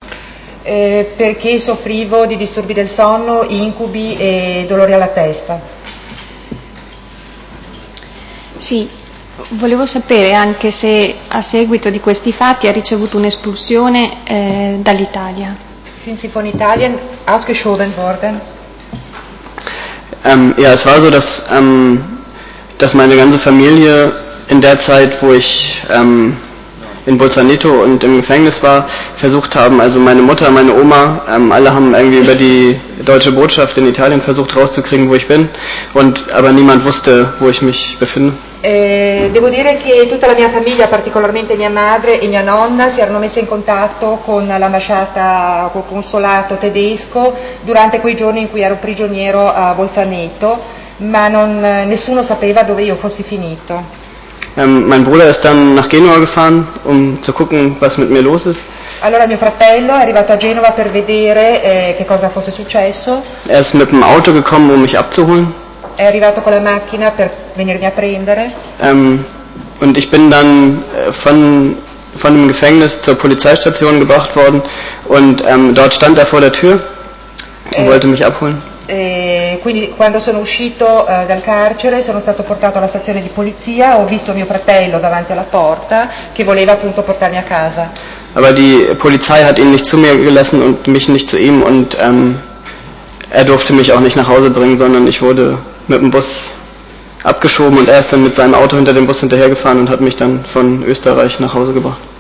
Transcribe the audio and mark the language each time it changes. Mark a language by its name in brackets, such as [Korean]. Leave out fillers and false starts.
[Italian] perché soffrivo di disturbi del sonno, incubi e dolori alla testa. Sì, volevo sapere anche se a seguito di questi fatti ha ricevuto un'espulsione dall'Italia. [German] Since von Italien ausgeschoben worden. Ja, es war so, dass meine ganze Familie in der Zeit, wo ich in Bolzaneto und im Gefängnis war, versucht haben, also meine Mutter, meine Oma, alle haben irgendwie über die deutsche Botschaft in Italien versucht rauszukriegen, wo ich bin, und aber niemand wusste, wo ich mich befinde. [Italian] Devo dire che tutta la mia famiglia, particolarmente mia madre e mia nonna, si erano messe in contatto con l'ambasciata, col consolato tedesco durante quei giorni in cui ero prigioniero a Bolzaneto, ma non, nessuno sapeva dove io fossi finito. [German] Mein Bruder ist dann nach Genua gefahren, um zu gucken, was mit mir los ist. [Italian] Allora mio fratello è arrivato a Genova per vedere che cosa fosse successo. [German] Er ist mit dem Auto gekommen, um mich abzuholen. [Italian] È arrivato con la macchina per venirmi a prendere. [German] Und ich bin dann von dem Gefängnis zur Polizeistation gebracht worden, und dort stand er vor der Tür und wollte mich abholen. [Italian] Quindi quando sono uscito dal carcere sono stato portato alla stazione di polizia, ho visto mio fratello davanti alla porta che voleva appunto portarmi a casa. [German] Aber die Polizei hat ihn nicht zu mir gelassen und mich nicht zu ihm, und er durfte mich auch nicht nach Hause bringen, sondern ich wurde mit dem Bus abgeschoben, und er ist dann mit seinem Auto hinter dem Bus hinterhergefahren und hat mich dann von Österreich nach Hause gebracht.